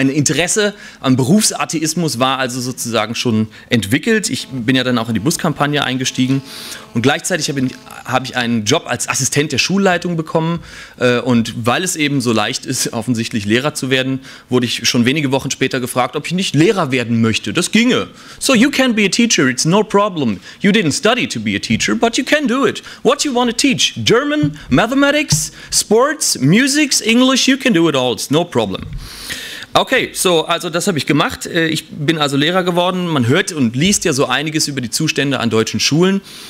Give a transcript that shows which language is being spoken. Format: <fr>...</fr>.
<de>Mein Interesse am Berufsatheismus war also sozusagen schon entwickelt. Ich bin ja dann auch in die Buskampagne eingestiegen und gleichzeitig habe ich einen Job als Assistent der Schulleitung bekommen. Und weil es eben so leicht ist, offensichtlich Lehrer zu werden, wurde ich schon wenige Wochen später gefragt, ob ich nicht Lehrer werden möchte. Das ginge.</de> <en>So you can be a teacher, it's no problem. You didn't study to be a teacher, but you can do it. What you want to teach? German, mathematics, sports, music, English, you can do it all, it's no problem.</en> <de>Okay, so, also das habe ich gemacht. Ich bin also Lehrer geworden. Man hört und liest ja so einiges über die Zustände an deutschen Schulen.</de>